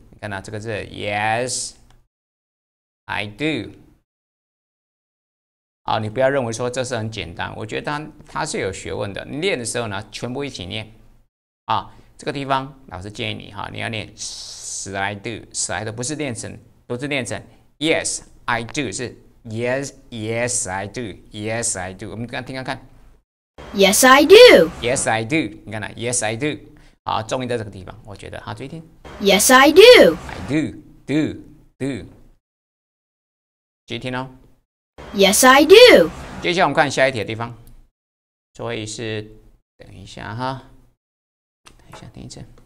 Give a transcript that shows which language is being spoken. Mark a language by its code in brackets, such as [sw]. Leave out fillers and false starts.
[zh] 你看到这个字 [en] Yes, I do. [zh] 好，你不要认为说这是很简单，我觉得它是有学问的。你念的时候呢，全部一起念。啊，这个地方老师建议你哈，你要念。 [en] Yes, I do. Yes, I do. [zh] 不是念成，不是念成。 [en] Yes, I do. 是 Yes, yes, I do. Yes, I do. [zh] 我们刚听看看。 [en] Yes, I do. Yes, I do. [zh] 你看呢 [en] ？Yes, I do. [zh] 好，重音在这个地方，我觉得。好，注意听。 [en] Yes, I do. I do, do, do. [zh] 注意听哦。 [en] Yes, I do. [zh] 接下来我们看下一题的地方。所以是，等一下哈，等一下，听一次。